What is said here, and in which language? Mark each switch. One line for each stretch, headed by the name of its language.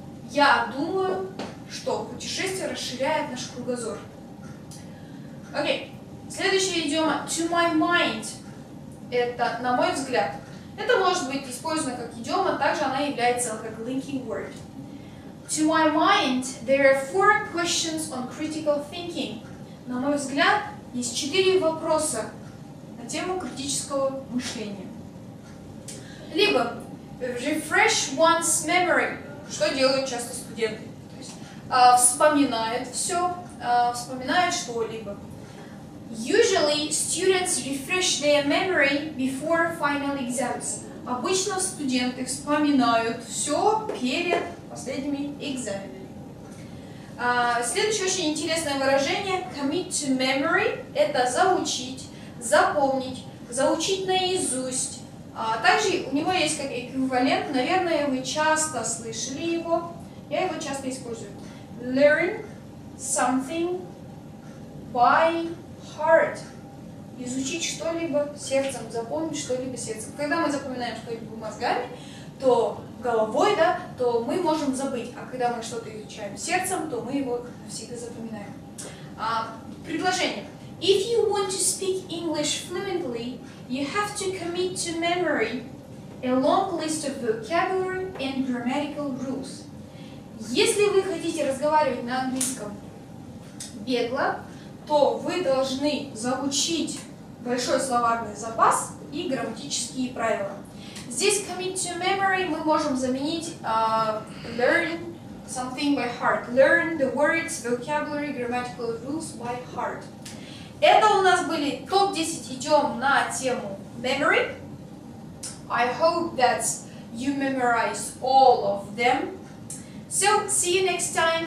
Russian: Я думаю, что путешествие расширяет наш кругозор. Окей, следующее идиома to my mind. Это, на мой взгляд, это может быть использовано как идиома, также она является как linking word.
English: To my mind, there are 4 questions on critical thinking.
Russian: На мой взгляд, есть 4 вопроса на тему критического мышления. Либо refresh one's memory, что делают часто студенты. Вспоминает все, вспоминает что-либо.
English: Usually students refresh their memory before final exams.
Russian: Обычно студенты вспоминают все перед последними экзаменами. Следующее очень интересное выражение commit to memory – это заучить, запомнить, заучить наизусть. Также у него есть как эквивалент, наверное, вы часто слышали его, я его часто использую.
English: Learn something by heart.
Russian: Изучить что-либо сердцем, запомнить что-либо сердцем. Когда мы запоминаем что-либо мозгами, то головой, да, то мы можем забыть. А когда мы что-то изучаем сердцем, то мы его всегда запоминаем. Предложение.
English: If you want to speak English fluently, you have to commit to memory a long list of vocabulary and grammatical rules.
Russian: Если вы хотите разговаривать на английском бегло, то вы должны заучить большой словарный запас и грамматические правила. Здесь commit to memory мы можем заменить learn something by heart.
English: Learn the words, vocabulary, grammatical rules by heart.
Russian: Это у нас были топ 10 идиом на тему memory.
English: I hope that you memorize all of them. So, see you next time.